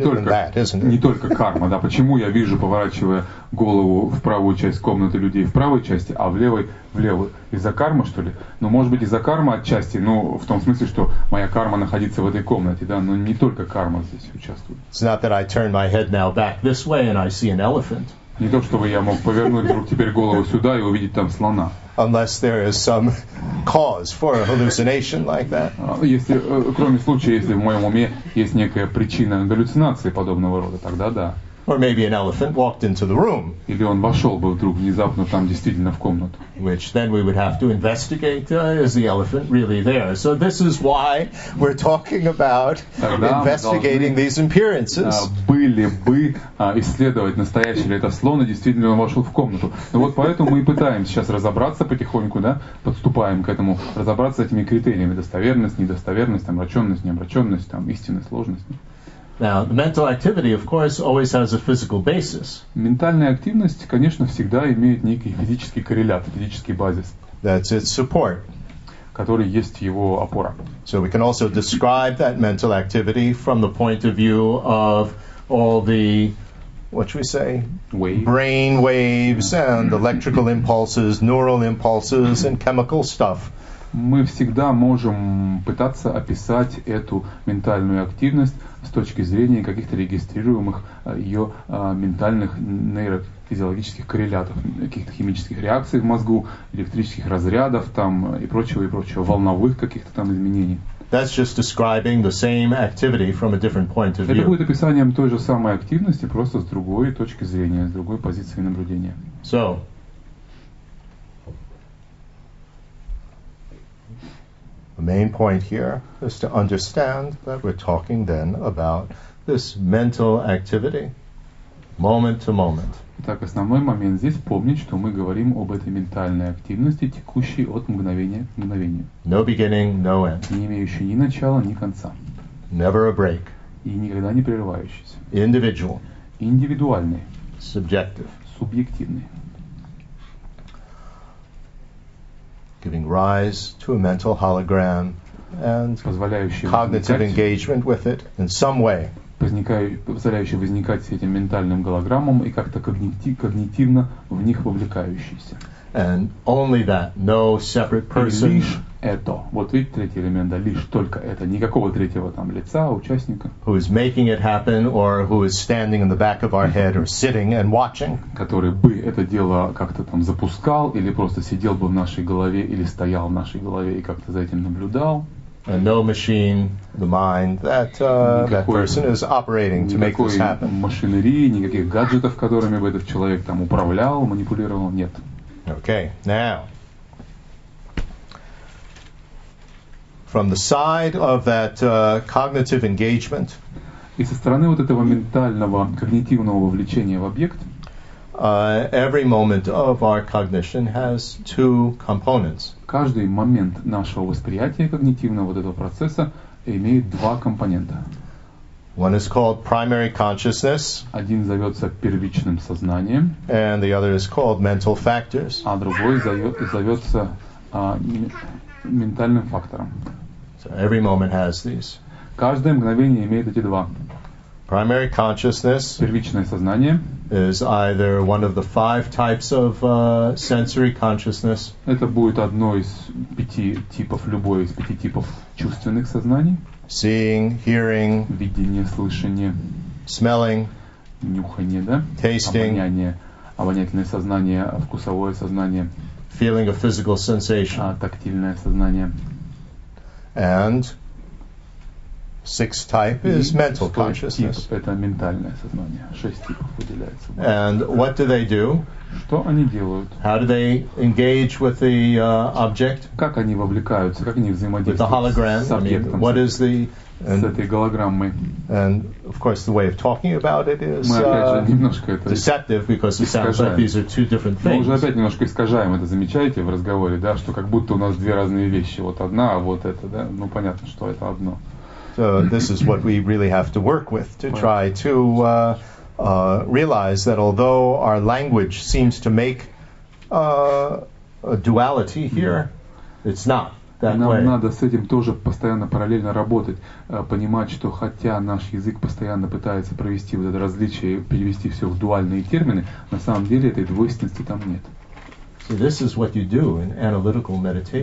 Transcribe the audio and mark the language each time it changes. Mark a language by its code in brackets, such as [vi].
[ru] только, [en] than that, isn't it? [ru] Не только карма, да. Почему я вижу, поворачивая голову в правую часть комнаты людей в правой части, а в левой в левую? Из-за кармы, что ли? Ну, может быть, из-за кармы отчасти, но в том смысле, что моя карма находится в этой комнате, да, но не только карма здесь участвует. [en] It's not that I turn my head now back this way and I see an elephant. [ru] Не то, чтобы я мог повернуть вдруг теперь голову сюда и увидеть там слона. [en] Unless there is some cause for a hallucination like that. [ru] Если, кроме случая, если в моем уме есть некая причина галлюцинации подобного рода, тогда да. [en] Or maybe an elephant walked into the room. [ru] Или он вошел бы вдруг внезапно там действительно в комнату. [en] Which then we would have to investigate, is the elephant really there? So this is why we're talking about [ru] тогда [en] investigating [ru] должны, [en] these appearances. [ru] Были бы исследовать, настоящий ли это слон, и действительно он вошел в комнату. Но вот поэтому мы и пытаемся сейчас разобраться потихоньку, да, подступаем к этому, разобраться с этими критериями, достоверность, недостоверность, омраченность, необраченность, там, истинность, сложность. [en] Now, the mental activity, of course, always has a physical basis. [ru] Ментальная активность, конечно, всегда имеет некий физический коррелят, физический базис. [en] That's its support. [ru] Который есть его опора. [en] So we can also describe that mental activity from the point of view of all the what should we say? Waves. Brain waves and electrical impulses, neural impulses and chemical stuff. [ru] Мы всегда можем пытаться описать эту ментальную активность с точки зрения каких-то регистрируемых ее ментальных нейрофизиологических коррелятов, каких-то химических реакций в мозгу, электрических разрядов там и прочего, волновых каких-то там изменений. [en] That's just describing the same activity from a different point of view. [ru] Это будет описанием той же самой активности, просто с другой точки зрения, с другой позиции наблюдения. [en] So, the main point here is to understand that we're talking then about this mental activity, moment to moment. [ru] Итак, основной момент здесь помнить, что мы говорим об этой ментальной активности, текущей от мгновения к мгновению. [en] No beginning, no end. [ru] Не имеющей ни начала, ни конца. [en] Never a break. [ru] И никогда не прерывающейся. [en] Individual. [ru] Индивидуальный. [en] Subjective. [ru] Субъективный. [en] Giving rise to a mental hologram and cognitive engagement with it in some way. [ru] Позволяющий возникать с этим ментальным голограммом и как-то когнитивно в них вовлекающийся. [en] And only that, no separate person. [ru] И лишь это. Вот видите, третий элемент, да, лишь только это. Никакого третьего там лица, участника. [en] Who is making it happen or who is standing in the back of our head or sitting and watching. [ru] Который бы это дело как-то там запускал или просто сидел бы в нашей голове или стоял в нашей голове и как-то за этим наблюдал. [en] And no machine, the mind, that person is operating to make this happen. [ru] Никакой машинерии, никаких гаджетов, которыми бы этот человек там управлял, манипулировал, нет. [en] Okay, now, from the side of that cognitive engagement, [ru] и со стороны вот этого ментального, когнитивного вовлечения в объект, [en] Every moment of our cognition has two components. [ru] Каждый момент нашего восприятия когнитивного вот этого процесса имеет два компонента. [en] One is called primary consciousness. [ru] Один зовется первичным сознанием. [en] And the other is called mental factors. [ru] А другой зовется ментальным фактором. [en] So every moment has these. [ru] Каждое мгновение имеет эти два. [en] Primary consciousness [ru] первичное сознание [en] is either one of the five types of sensory consciousness. [ru] Это будет одно из пяти типов, любое из пяти типов чувственных сознаний. [en] Seeing, hearing, [ru] видение, слышание, [en] smelling, [ru] нюхание, да, [en] tasting, [ru] обоняние, обонятельное сознание, вкусовое сознание, [en] feeling of physical sensation, [ru] тактильное сознание. [en] And sixth type is mental consciousness. [ru] Тип, это ментальное сознание. Шесть типов выделяется. [en] And what do they do? [ru] Что они делают? [en] How do they engage with the object? [ru] Как они вовлекаются? Как они взаимодействуют? [en] With the hologram. [ru] С объектом, [en] I mean, what is the [ru] and, с этой голограммой? [en] And of course, the way of talking about it is [ru] мы опять же немножко это [en] deceptive because it sounds like these are two different things. [ru] Мы уже опять немножко искажаем это. Замечаете в разговоре, да, что как будто у нас две разные вещи. Вот одна, а вот это, да. Ну понятно, что это одно. [en] So this is what we really have to work with to try to realize that although our language seems to make a duality here, it's not that [ru] нам [en] way. [ru] Нам надо с этим тоже постоянно параллельно работать, понимать, что хотя наш язык постоянно пытается провести вот это различие, перевести все в дуальные термины, на самом деле этой двойственности там нет. [en] See, this is what you do in analytical meditation.